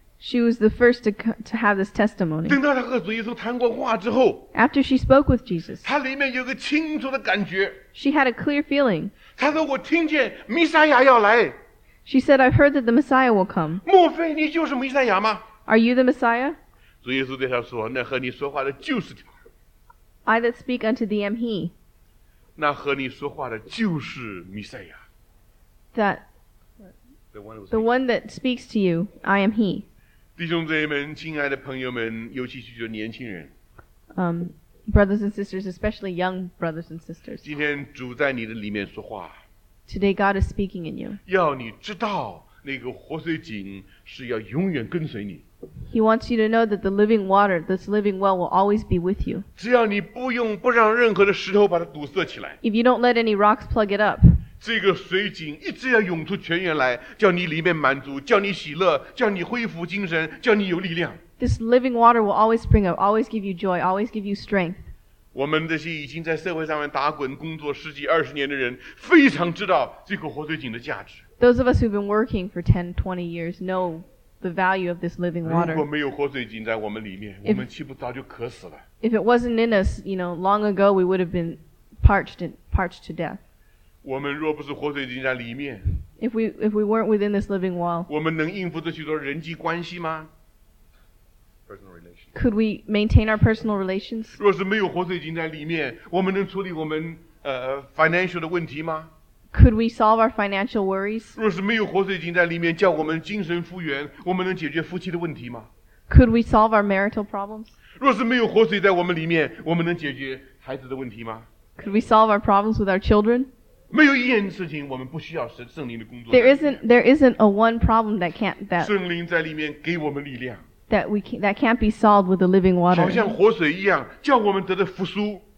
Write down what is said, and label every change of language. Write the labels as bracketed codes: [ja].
[en] She was the first to have this testimony. [zh] 等到她和主耶稣谈过话之后, [en] After she spoke with Jesus, [zh] 她里面有个清楚的感觉, [en] she had a clear feeling. [zh] 她说我听见弥赛亚要来, [en] she said, I heard that the Messiah will come. [zh] 莫非你就是弥赛亚吗? [en] Are you the Messiah? [zh] 主耶稣对她说, 那和你说话的就是他。 [en] I that speak unto thee am he. [zh] 那和你说话的就是弥赛亚。 [en] That the one that speaks to you, I am he. [zh] 弟兄姊妹们，亲爱的朋友们， 尤其是年轻人， [en] Brothers and sisters, especially young brothers and sisters, [zh] 今天主在你的里面说话， [en] Today God is speaking in you. [zh] 要你知道那个活水井是要永远跟随你。 [en] He wants you to know that the living water, this living well, will always be with you. [zh] 只要你不用不让任何的石头把它堵塞起来， [en] If you don't let any rocks plug it up, [zh] 这个水井一直要涌出泉源来， 叫你里面满足， 叫你喜乐， 叫你恢复精神， 叫你有力量。 [en] This living water will always spring up, always give you joy, always give you strength. [zh] 我们这些已经在社会上面打滚工作十几二十年的人， 非常知道这个活水井的价值。 [en] Those of us who've been working for 10, 20 years know the value of this living water. [zh] 如果没有活水井在我们里面， 我们岂不早就渴死了。 [en] If it wasn't in us, you know, long ago we would have been parched to death. [zh] 我们若不是活水井在里面， [en] if we weren't within this living wall, [zh] 我们能应付这许多人际关系吗？ [en] Personal relations. Could we maintain our personal relations? [zh] 若是没有活水井在里面， 我们能处理我们, financial的问题吗？ [en] Could we solve our financial worries? [zh] 若是没有活水井在里面， 叫我们精神复原， 我们能解决夫妻的问题吗？ [en] Could we solve our marital problems? [zh] 若是没有活水在我们里面， 我们能解决孩子的问题吗？ [en] Could we solve our problems with our children? [zh] 没有一件事情我们不需要圣灵的工作。 [en] There isn't a one problem that can't that [zh] 圣灵在里面给我们力量。 [en] That can't be solved with the living water. [zh] 好像活水一样， 叫我们得的复苏。